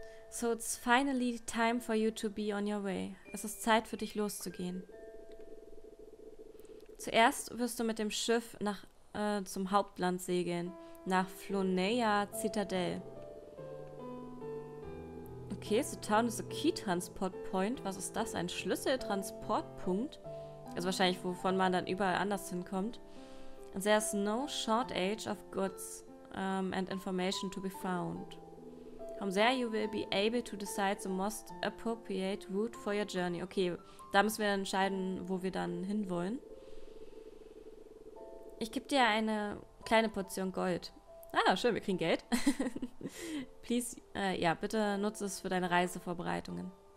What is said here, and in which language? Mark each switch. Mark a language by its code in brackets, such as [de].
[en] So it's finally time for you to be on your way. [de] Es ist Zeit für dich loszugehen. Zuerst wirst du mit dem Schiff nach zum Hauptland segeln. Nach Flonea Citadel. [en] Okay, so town is a key transport point. [de] Was ist das? Ein Schlüsseltransportpunkt? Also wahrscheinlich, wovon man dann überall anders hinkommt. [en] And there's no shortage of goods and information to be found. From there you will be able to decide the most appropriate route for your journey. [de] Okay, da müssen wir entscheiden, wo wir dann hinwollen. Ich gebe dir eine kleine Portion Gold. Ah, schön, wir kriegen Geld. Please, ja, bitte nutze es für deine Reisevorbereitungen.